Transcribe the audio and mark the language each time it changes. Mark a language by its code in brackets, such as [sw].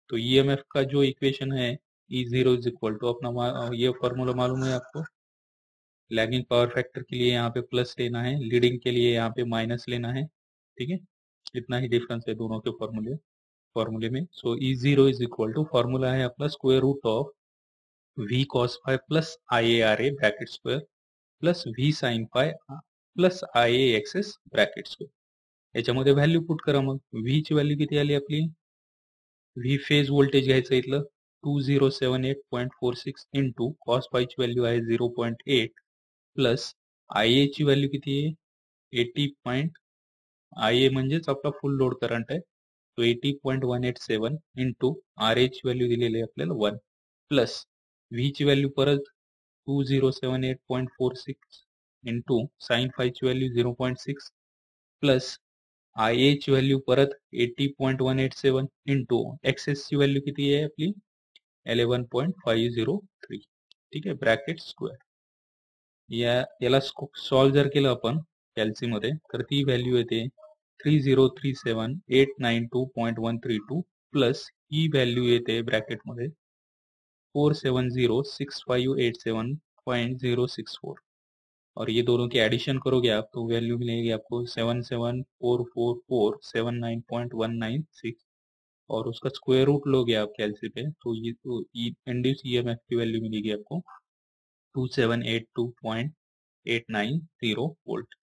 [hi] तो ईएमएफ का जो इक्वेशन है E0 इज इक्वल टू अपना ये फॉर्मूला मालूम है आपको, लैगिंग पावर फैक्टर के लिए यहाँ पे प्लस लेना है, लीडिंग के लिए यहाँ पे माइनस लेना है। ठीक है, इतना ही डिफरेंस है दोनों के फॉर्मूले में। सो E0 is equal to formula है अपना square root of we cos phi plus I A R A bracket square plus we sign phi plus I A x S bracket square. [mr] याच्यामध्ये value put करा मग, V ची value किती आली आपली, V phase voltage घ्यायचं इथलं 2078.46 into cos phi ची वैल्यू आहे 0.8 प्लस आय ए ची वैल्यू किती आहे 80. आय ए म्हणजेच आपला फुल लोड करंट आहे, तो 80.187 इंटू आर ए ची वैल्यू दिलेली आहे आपल्याला 1 प्लस व्ही ची वैल्यू परत 2078.46 इंटू साईन फाय ची वैल्यू 0.6 प्लस आय ए ची वैल्यू परत 80.187 इंटू एक्स एस ची वैल्यू किती आहे आपली 11.503। ठीक आहे, ब्रॅकेट स्क्वेअर याला सॉल्व जर केलं आपण कॅल्सी मध्ये तर ती व्हॅल्यू येते 3037892.132 प्लस ही व्हॅल्यू येते ब्रॅकेट मध्ये 4706587.064। [hi] और ये दोनों की ऍडिशन करोगे आप तो व्हॅल्यू मिळेगी आपको 774449.196। और उसका स्क्वायर रूट लोगे आप कैलसी पे तो ये तो इंड्यूस ईएमएफ की वैल्यू मिलेगी आपको 2782.890 वोल्ट।